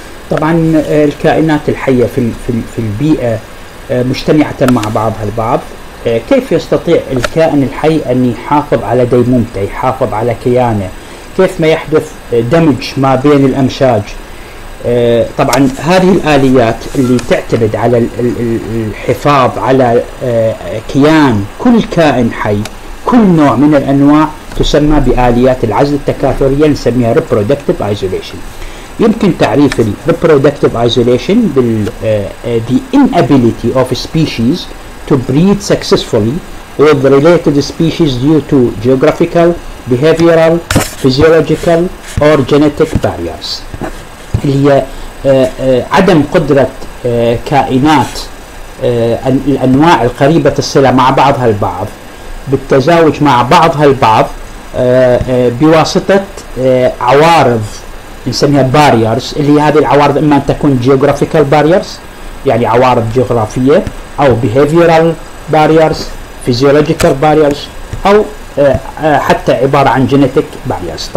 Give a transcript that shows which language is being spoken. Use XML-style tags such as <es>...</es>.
<ar>طبعا الكائنات الحية في البيئة مجتمعة مع بعضها البعض، كيف يستطيع الكائن الحي أن يحافظ على ديمومته، يحافظ على كيانه؟ كيف ما يحدث دمج ما بين الأمشاج؟ طبعا هذه الآليات اللي تعتمد على الحفاظ على كيان كل كائن حي، كل نوع من الأنواع، تسمى بآليات العزل التكاثرية، نسميها reproductive isolation. يمكن تعريف الـ</ar> <en>reproductive isolation بالـ the inability of species to breed successfully with related species due to geographical, behavioral, physiological or genetic barriers.</en> <ar>اللي هي عدم قدرة كائنات الأنواع القريبة الصلة مع بعضها البعض بالتزاوج مع بعضها البعض بواسطة عوارض نسميها barriers، اللي هذه العوارض إما أن تكون geographical barriers يعني عوارض جغرافية، أو behavioral barriers، physiological barriers، أو حتى عبارة عن genetic barriers.</ar>